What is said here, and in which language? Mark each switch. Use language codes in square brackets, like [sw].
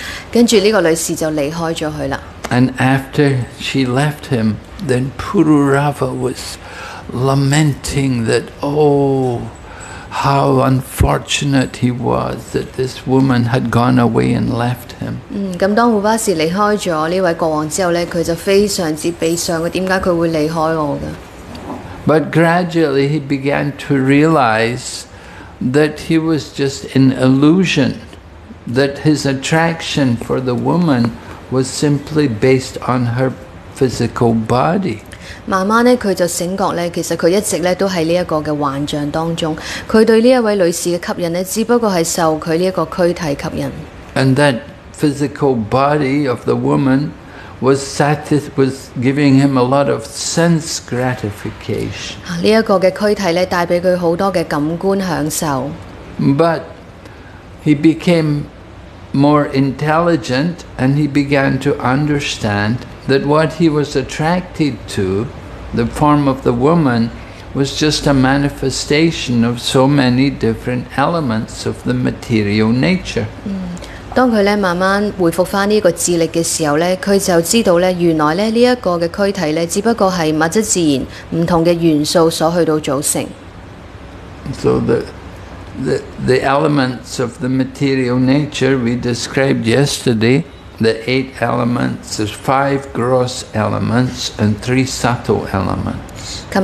[yue] 跟住呢个女士就离开咗佢啦。 [en] And after she left him, then Pururava was lamenting that, oh, how unfortunate he was that this woman had gone away and left. [yue] 咁當胡巴士離開咗呢位國王之後咧，佢就非常之悲傷。佢點解佢會離開我嘅 [en] ？But gradually he began to realize that he was just an illusion, that his attraction for the woman was simply based on her physical body. [yue] 慢慢咧，佢就醒覺咧，其實佢一直咧都喺呢一個嘅幻象當中。佢對呢一位女士嘅吸引咧，只不過係受佢呢一個軀體吸引。 [en] And that physical body of the woman was giving him a lot of sense gratification. But he became more intelligent and he began to understand that what he was attracted to, the form of the woman, was just a manifestation of so many different elements of the material nature. [yue] 當佢慢慢回復返呢個智力嘅時候呢,佢就知道呢原來呢一個嘅軀體呢只不過係物質自然唔同嘅元素所去到組成。 [en] So the elements of the material nature we described yesterday, the eight elements is five gross elements and three subtle elements.